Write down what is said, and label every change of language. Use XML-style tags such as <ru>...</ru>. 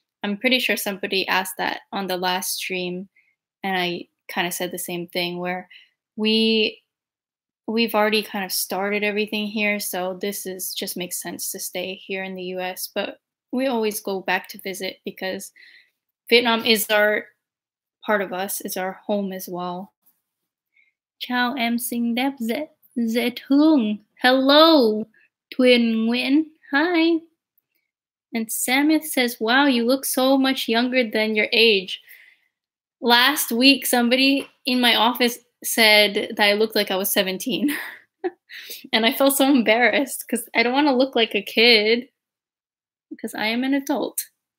<en>I'm pretty sure somebody asked that on the last stream, and I kind of said the same thing, where we've already kind of started everything here, so this is just makes sense to stay here in the US. But we always go back to visit because Vietnam is our part of us, is our home as well.</en> <vi>Chào em xinh đẹp dễ thương.</vi> <en>Hello, Thuyền Nguyễn. Hi. And Samith says, wow, you look so much younger than your age. Last week, somebody in my office said that I looked like I was 17. And I felt so embarrassed because I don't want to look like a kid because I am an adult.</en>